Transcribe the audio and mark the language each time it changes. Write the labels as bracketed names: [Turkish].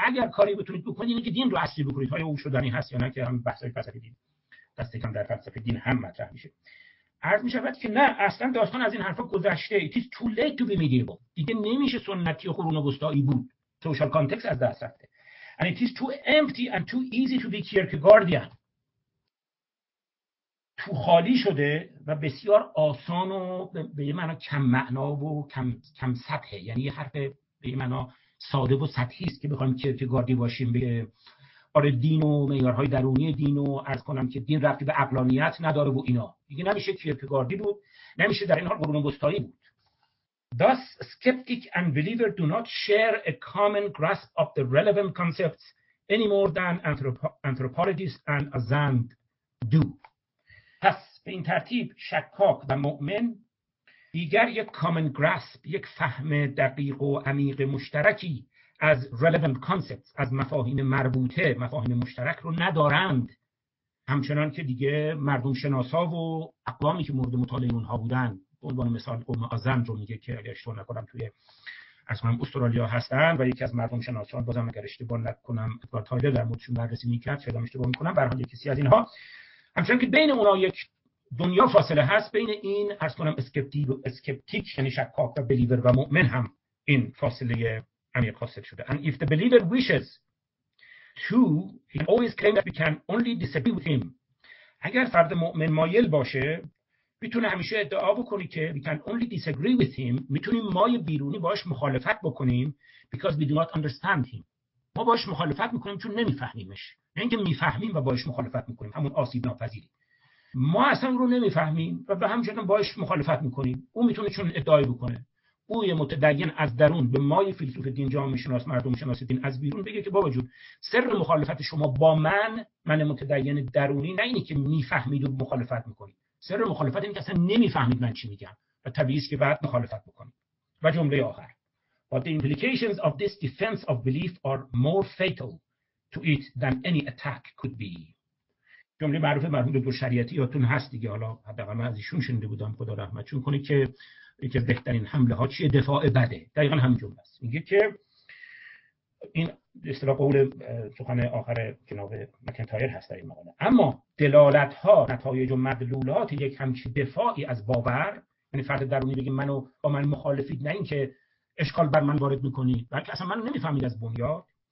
[Persian] اگر کاری بتونید بکنید اینه که دین رو عصری بکنید. آیا او شدنی هست یا نه که همین بحثای فلسفه دین دست کم در فلسفه دین هم مطرح میشه. عرض میشود که نه، اصلا داستان از این حرفا گذشته. [English] It is too late to be medieval. [Persian] دیگه نمیشه سنتی و قرون وسطایی بود. سوشال کانتکست از دست رفته. [English] And it is too empty and too easy to be Kierkegaardian. [Persian] تو خالی شده و بسیار آسان و به یه معنا کم معنا و کم سطحه، یعنی یه حرف به یه معنا ساده و سطحی است که بخوایم کیرکگاردی باشیم، به آره دین و معیارهای درونی دین و عرض کنم که دین ربطی به عقلانیت نداره و اینا، دیگه نمیشه کیرکگاردی بود، نمیشه در این حال قرون وسطایی بود. [English] Thus skeptic and believer do not share a common grasp of the relevant concepts any more than anthropologist and azand do. [Persian] پس به این ترتیب شکاک و مؤمن دیگر یک [English] common grasp، [Persian] یک فهم دقیق و عمیق مشترکی از [English] relevant concepts، [Persian] از مفاهیم مربوطه، مفاهیم مشترک رو ندارند، همچنان که دیگه مردم شناسا و اقوامی که مورد مطالعه اونها بودن، به عنوان مثال قوم آزند رو میگه که اگر اشتباه نکنم توی از من استرالیا هستن و یکی از مردم شناسان بازم اگر اشتباه نکنم ادوارد تایلر در موردشون بررسی میکرد، شاید اشتباه میکنم، به هر حال یکی از اینها، همچنان که بین اونا یک دنیا فاصله هست، بین این ارز کنم اسکپتیک یعنی شکاک و بلیور و مؤمن هم این فاصله عمیق حاصل شده. [English] And if the believer wishes to, he can always claim that we can only disagree with him. [Persian] اگر فرد مؤمن مایل باشه میتونه همیشه ادعا بکنی که [English] we can only disagree with him، [Persian] میتونیم ما بیرونی باش مخالفت بکنیم، [English] because we do not understand him. [Persian] ما باش مخالفت میکنیم چون نمیفهمیمش، نه اینکه میفهمیم و باش مخالفت میکنیم، همون آسیب ناپذیری، ما اصلا رو نمیفهمیم و به همین جهت باش مخالفت میکنیم. او میتونه چون ادعای بکنه، او یه متدین از درون به ما یه فیلسوف دین، جامعه شناس، مردم شناس دین، از بیرون بگه که بابا جون سر مخالفت شما با من متدین درونی، نه اینی که میفهمید و مخالفت میکنید، سر مخالفت اینه که اصلا نمیفهمید من چی میگم و طبیعیه که بعد مخالفت بکنید. و جمله آخر، [English] but the implications of this defense of belief are more fatal to it than any attack could be. [Persian] جمله معروف مرحوم دکتر شریعتی یادتون هست دیگه، حالا حداقل من از ایشون شنیده بودم، خدا رحمتشون کنه، که بهترین حمله ها چیه؟ دفاع بده. دقیقاً همین جمله است. میگه که این اصطلاح قول سخن آخر جناب مکنتایر هست در این مقاله، اما دلالت ها، نتایج و مدلولات یک همچین دفاعی از باور، یعنی فرد درونی بگه منو با من مخالفید، نه اینکه اشکال بر من وارد میکنی، بلکه اصلا منو نمیفهمید از بنیاد،